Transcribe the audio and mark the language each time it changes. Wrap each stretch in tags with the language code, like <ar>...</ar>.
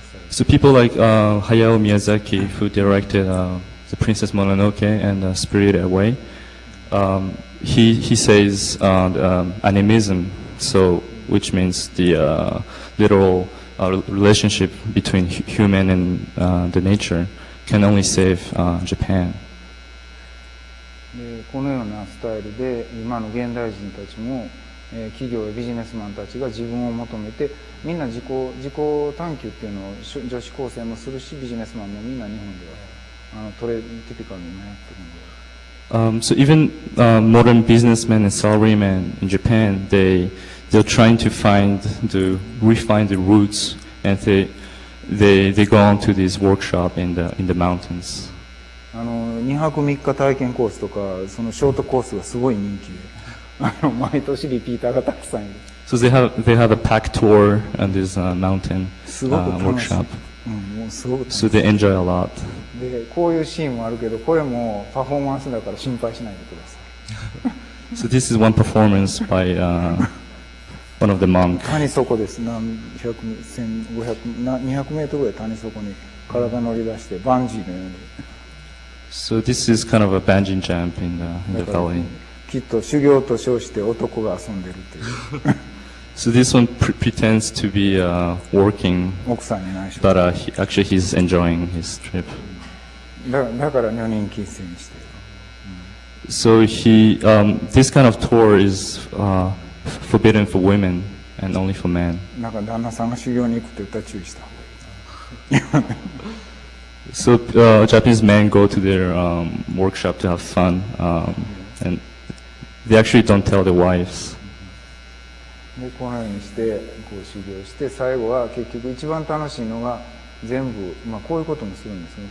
<en>So people like Hayao Miyazaki, who directed The Princess Mononoke and Spirited Away, he says animism, so which means the literal relationship between human and the nature, can only save Japan.</en> <ja>このようなスタイルで今の現代人たちも企業やビジネスマンたちが自分を求めてみんな自己探求っていうのを女子高生もするしビジネスマンもみんな日本ではティピカルに迷ってるんで。</ja> <en>So even modern businessmen and salarymen in Japan, they're trying to refine the roots and they go on to this workshop in the mountains.</en> <ja>2泊3日体験コースとかそのショートコースがすごい人気で。毎年リピーターがたくさんいる。</ja> <en>So they have a pack tour on this mountain workshop. So they enjoy a lot.</en> <ja>で、こういうシーンもあるけど、これもパフォーマンスだから心配しないでください。</ja> <en>So this is one performance by one of the monks.</en> <ja>谷底です。 200メートルぐらい谷底に体乗り出してバンジーのように。</ja> <en>So this is kind of a bungee jump in the valley.</en> <ja>きっと修行と称して男が遊んでるという。</ja> <en>So this one pretends to be working,</en> <ja>奥さんに内緒。</ja> <en>But actually he's enjoying his trip.</en> <ja>だから女人禁制にしてる。</ja> <en>So he, this kind of tour is forbidden for women and only for men.</en> <ja>なんか旦那さんが修行に行くって言ったら注意した。</ja> <en>So Japanese men go to their workshop to have fun and. They actually don't tell their wives.</en> <ja>で、このようにして、こう修行して、最後は結局一番楽しいのが全部、まあこういうこともするんですね。</ja>